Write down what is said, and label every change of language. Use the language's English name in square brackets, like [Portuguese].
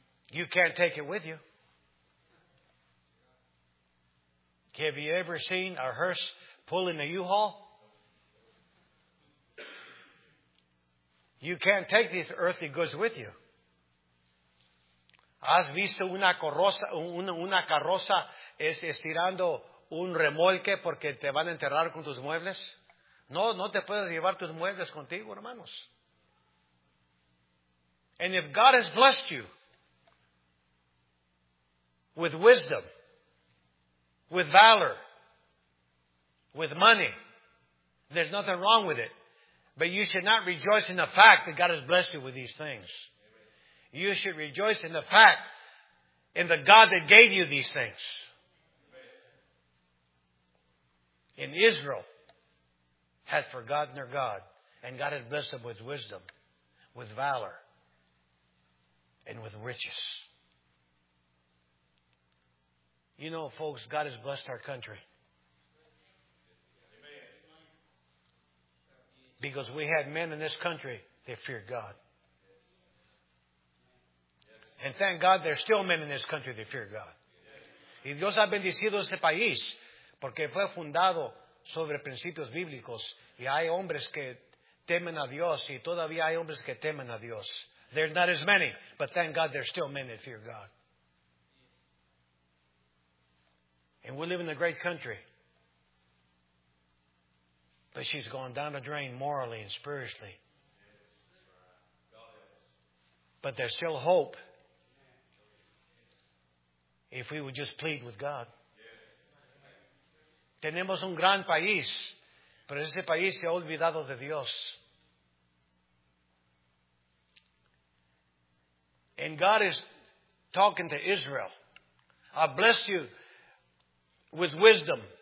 [English] You can't take it with you. Have you ever seen a hearse pulling a U-Haul? You can't take these earthly goods with you. [Spanish] ¿Has visto una carroza estirando un remolque porque te van a enterrar con tus muebles? No te puedes llevar tus muebles contigo, hermanos. [English] And if God has blessed you with wisdom, with valor, with money, there's nothing wrong with it. But you should not rejoice in the fact that God has blessed you with these things. You should rejoice in the fact in the God that gave you these things. In Israel had forgotten their God, and God had blessed them with wisdom, with valor, and with riches. You know, folks, God has blessed our country. Because we had men in this country that feared God. And thank God there are still men in this country that fear God. [Spanish] Y Dios ha bendecido este país porque fue fundado sobre principios bíblicos. Y hay hombres que temen a Dios y todavía hay hombres que temen a Dios. [English] There are not as many, but thank God there are still men that fear God. And we live in a great country. But she's gone down the drain morally and spiritually. But there's still hope if we would just plead with God. Yes. [Spanish] Tenemos un gran país, pero ese país se ha olvidado de Dios. [English] And God is talking to Israel. I bless you with wisdom.